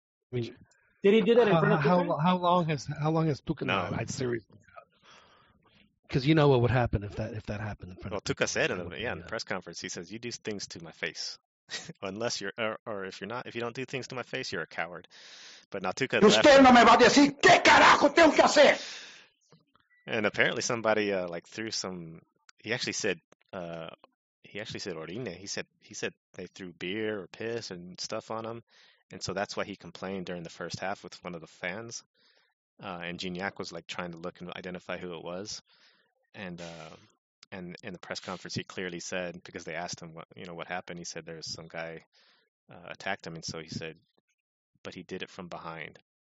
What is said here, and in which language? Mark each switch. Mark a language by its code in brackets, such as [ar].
[en] I mean, did he do that in front of Tuca? How long has Tuca been? No, I'd seriously. Because you know what would happen if that happened in front of Tuca. Well, Tuca said in the press conference, he says, you do things to my face. Unless you're, or if you're not, if you don't do things to my face, you're a coward. But Natuca left. [es] No me va a decir, ¿qué carajo tengo que hacer? [en] And apparently somebody threw some. He actually said orine. He said they threw beer or piss and stuff on him, and so that's why he complained during the first half with one of the fans. And Gignac was like trying to look and identify who it was, and in the press conference, he clearly said, because they asked him what happened, he said there's some guy attacked him. And so he said, but he did it from behind.